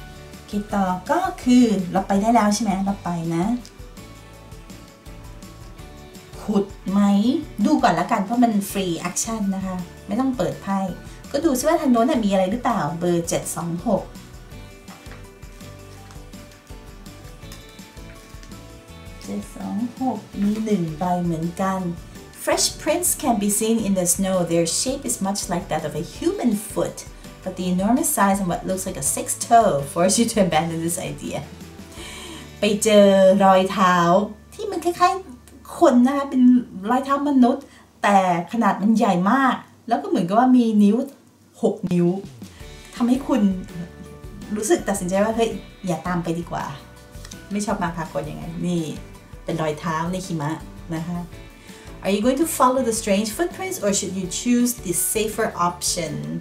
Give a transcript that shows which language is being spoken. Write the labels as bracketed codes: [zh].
[th] โอเคต่อก็คือเราไปได้แล้วใช่ไหมเราไปนะขุดไหมดูก่อนละกันเพราะมันฟรีแอคชั่นนะคะไม่ต้องเปิดไพ่ก็ดูซิว่าทางโน้นมีอะไรหรือเปล่าเบอร์72626มี1ใบเหมือนกัน [en] Fresh prints can be seen in the snow. Their shape is much like that of a human foot, but the enormous size and what looks like a sixth toe force you to abandon this idea. [th] ไปเจอรอยเท้าที่มันคล้ายๆคนนะคะเป็นรอยเท้ามนุษย์แต่ขนาดมันใหญ่มากแล้วก็เหมือนกับว่ามีนิ้ว6นิ้วทำให้คุณรู้สึกตัดสินใจว่าเฮ้ยอย่าตามไปดีกว่าไม่ชอบมาพากลยังไงนี่เป็นรอยเท้าในหิมะนะคะ [en] Are you going to follow the strange footprints or should you choose the safer option